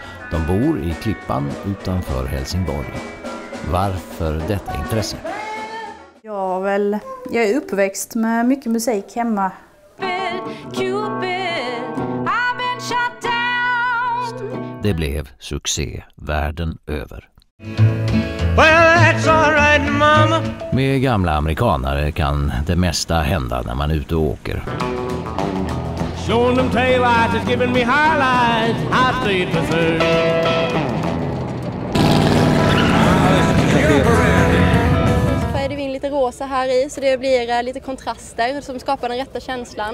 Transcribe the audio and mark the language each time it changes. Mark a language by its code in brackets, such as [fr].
[sv] De bor i Klippan utanför Helsingborg. Varför detta intresse? Ja, väl, jag är uppväxt med mycket musik hemma. [en] Cupid, I've been shut down. [sv] Det blev succé världen över. [en] Well, that's all right, mama. [sv] Med gamla amerikanare kan det mesta hända när man ute och åker. Så färgade vi in lite rosa här i, så det blir lite kontraster som skapar den rätta känslan.